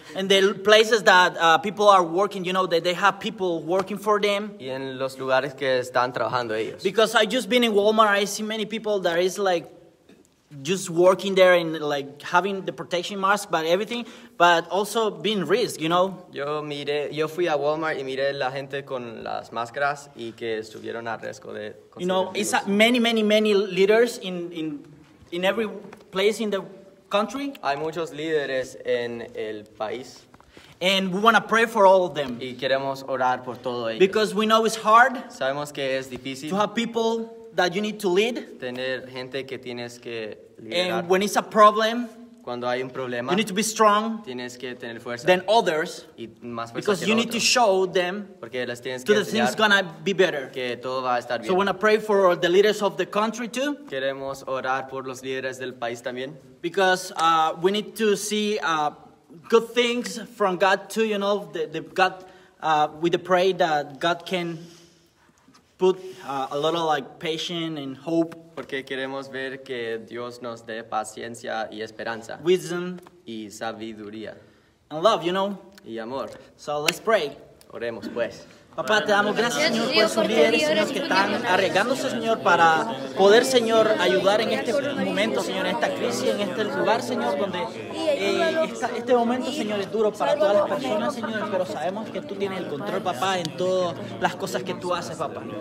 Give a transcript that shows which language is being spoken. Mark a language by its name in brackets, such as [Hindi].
[English] In the places that people are working, you know, that they have people working for them. [Spanish] Y en los lugares que están trabajando ellos. [English] Because I just been in Walmart, I see many people that is like, just working there and like having the protection mask, but everything, but also being risk, you know. [Spanish] Yo fui a Walmart y miré la gente con las máscaras y que estuvieron a riesgo de. [English] You know, it's many leaders in every place in the country. [Spanish] Hay muchos líderes en el país. [English] And we want to pray for all of them. [Spanish] Y queremos orar por todo ellos. [English] Because we know it's hard. [Spanish] Sabemos que es difícil. [English] To have people that you need to lead. [Spanish] Tener gente que tienes que liderar. [English] And when it's a problem, [Spanish] cuando hay un problema, [English] you need to be strong. [Spanish] Tienes que tener fuerza. [English] Than others, [Spanish] y más fuerza [English] because [Spanish] que [English] you [Spanish] otro. [English] Need to show them. [Spanish] Porque las tienes [English] to [Spanish] que [English] the things gonna be better. [Spanish] Que todo va a estar bien. [English] So we want to pray for the leaders of the country too. [Spanish] Queremos orar por los líderes del país también. [English] Because we need to see good things from God too. You know, the God, we pray that God can put a lot of like patience and hope. [Spanish] Porque queremos ver que Dios nos dé paciencia y esperanza. [English] Wisdom. [Spanish] Y sabiduría. [English] And love, you know. [Spanish] Y amor. [English] So let's pray. [Spanish] Oremos pues. Papá, te damos gracias, Señor, por sus líderes, Señor, que están arriesgándose, Señor, para poder, Señor, ayudar en este momento, Señor, en esta crisis, en este lugar, Señor, donde este momento, Señor, es duro para todas las personas, Señor, pero sabemos que tú tienes el control, papá, en todas las cosas que tú haces, papá.